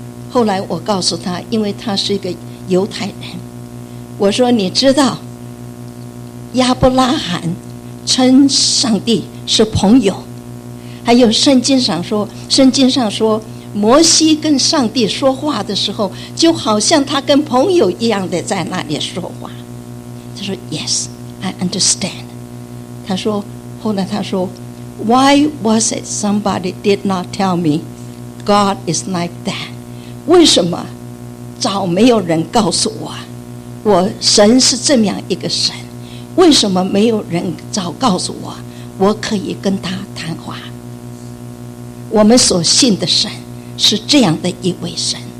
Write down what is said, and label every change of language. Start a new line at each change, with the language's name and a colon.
Chinese: 后来我告诉他，因为他是一个犹太人，我说你知道亚伯拉罕称上帝是朋友，还有圣经上说摩西跟上帝说话的时候，就好像他跟朋友一样的在那里说话。他说
English: Yes, I understand。
Chinese: 他说，后来他说
English: Why was it somebody did not tell me God is like that？
Chinese: 为什么早没有人告诉我，我神是这么样一个神，为什么没有人早告诉我，我可以跟他谈话。我们所信的神是这样的一位神。